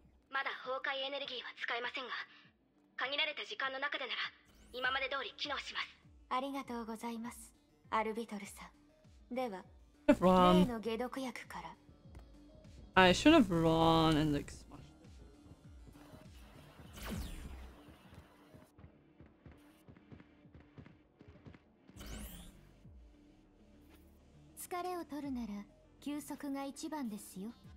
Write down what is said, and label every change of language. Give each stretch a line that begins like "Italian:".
Japanese: まだ崩壊エネルギーは使えませんが、限られた時間の中でなら今まで通り機能します。ありがとうございます、アルビトルさん。では、例の解毒薬から。
English: I should have run and like smashed it.
Japanese: 疲れを取るなら休息が一番ですよ。